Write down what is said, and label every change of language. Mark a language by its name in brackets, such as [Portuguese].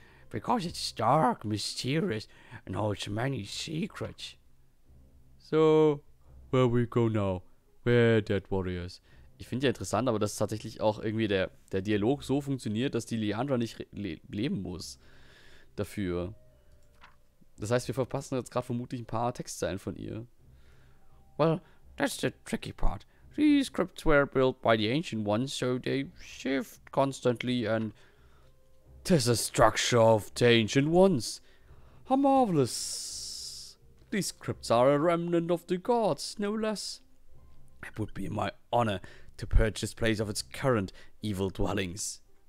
[English] Because it's dark, mysterious and holds many secrets. So, where we go now? Where dead warriors? [German] Ich finde ja interessant, aber dass tatsächlich auch irgendwie der Dialog so funktioniert, dass die Leandra nicht leben muss dafür. Das heißt, wir verpassen jetzt gerade vermutlich ein paar Textzeilen von ihr. [English] Well, that's the tricky part. These scripts were built by the ancient ones, so they shift constantly and... There's a structure of the ancient ones. How marvelous. These scripts are a remnant of the gods, no less. It would be my honor to purge this place of its current evil dwellings.